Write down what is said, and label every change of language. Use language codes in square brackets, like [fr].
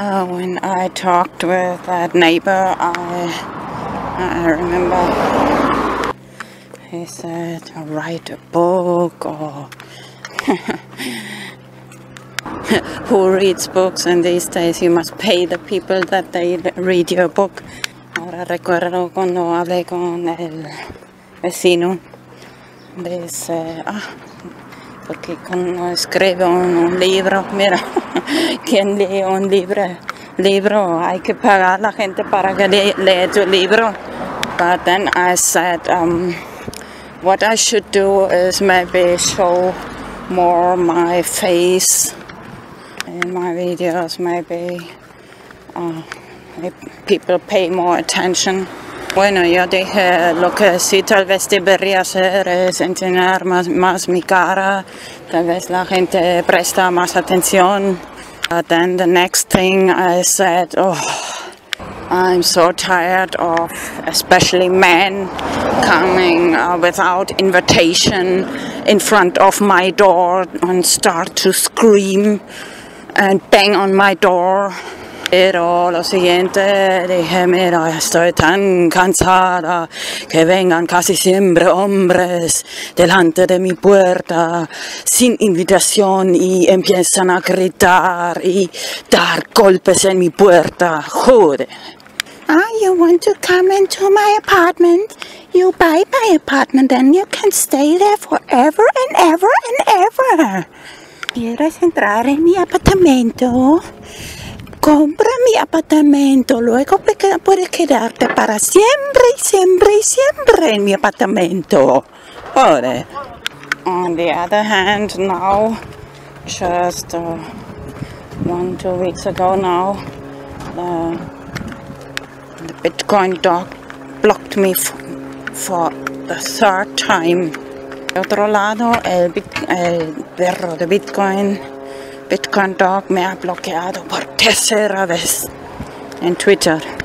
[en] When I talked with that neighbor, I remember he said write a book, or who reads books in these days, you must pay the people that they read your book. [es] Ahora recuerdo cuando hablé con el vecino, dice porque cuando escribe un libro, mira, quien lee un libro, hay que pagar a la gente para que lea tu libro. [en] But then I said, what I should do is maybe show more my face in my videos, maybe people pay more attention. [es] Bueno, yo dije lo que sí tal vez debería hacer es enseñar más mi cara. Tal vez la gente presta más atención. [en] Then the next thing I said, oh, I'm so tired of especially men coming without invitation in front of my door and start to scream and bang on my door. [es] Pero lo siguiente, dije, mira, estoy tan cansada que vengan casi siempre hombres delante de mi puerta sin invitación y empiezan a gritar y dar golpes en mi puerta. Joder. [en] Ah, you want to come into my apartment? You buy my apartment, then you can stay there forever and ever and ever. [es] ¿Quieres entrar en mi apartamento? Compra mi apartamento, luego puedes quedarte para siempre y siempre y siempre en mi apartamento. Joder. [en] On the other hand, now, just 1-2 weeks ago now, the Bitcoin dog blocked me for the third time. [es] De otro lado, el perro de Bitcoin. Bitcoin dog me ha bloqueado por tercera vez en Twitter.